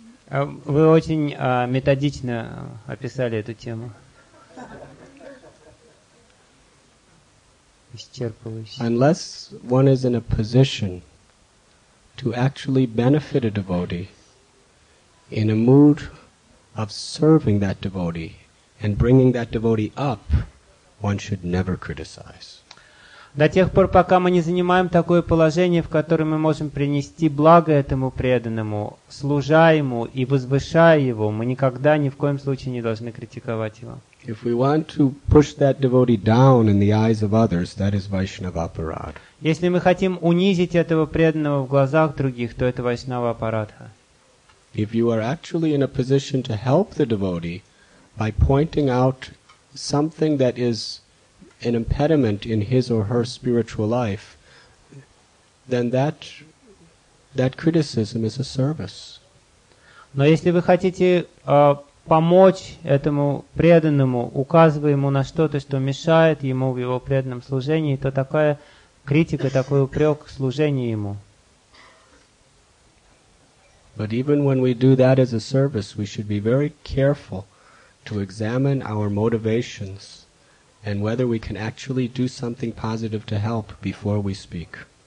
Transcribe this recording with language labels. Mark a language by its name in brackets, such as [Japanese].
[Russian] Вы очень методично описали эту тему. Исчерпывающе. [English] Unless one is in a position to actually benefit a devotee, in a mood of serving that devotee and bringing that devotee up, one should never criticize. [Russian] До тех пор, пока мы не занимаем такое положение, в котором мы можем принести благо этому преданному, служа ему и возвышая его, мы никогда ни в коем случае не должны критиковать его. [English] If we want to push that devotee down in the eyes of others, that is Vaishnava Aparad. [Russian] Если мы хотим унизить этого преданного в глазах других, то это Вайшнава Апарадха. [English] If you are actually in a position to help the devotee by pointing out something that is an impediment in his or her spiritual life, then that criticism is a service. [Russian] Но если вы хотите помочь этому преданному, указывая ему на что-то, что мешает ему в его преданном служении, то такая критика, такой упрек служению ему. [English] But even when we do that as a service, we should be very careful to examine our motivations and whether we can actually do something positive to help before we speak.